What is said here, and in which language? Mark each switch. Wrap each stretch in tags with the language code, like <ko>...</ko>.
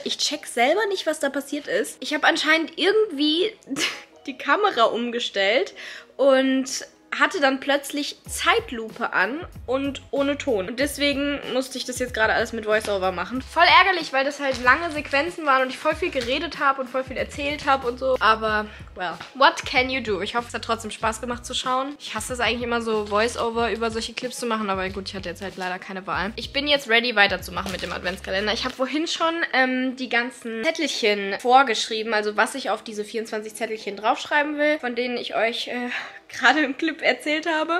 <de>Ich check selber nicht, was da passiert ist. Ich habe anscheinend irgendwie die Kamera umgestellt und hatte dann plötzlich Zeitlupe an und ohne Ton. Und deswegen musste ich das jetzt gerade alles mit Voiceover machen. Voll ärgerlich, weil das halt lange Sequenzen waren und ich voll viel geredet habe und voll viel erzählt habe und so.</de> <en>Aber, well, what can you do?</en> <de>Ich hoffe, es hat trotzdem Spaß gemacht zu schauen. Ich hasse es eigentlich immer so, Voiceover über solche Clips zu machen, aber gut, ich hatte jetzt halt leider keine Wahl. Ich bin jetzt ready, weiterzumachen mit dem Adventskalender. Ich habe vorhin schon die ganzen Zettelchen vorgeschrieben, also was ich auf diese 24 Zettelchen draufschreiben will, von denen ich euch gerade im Clip erzählt habe.</de>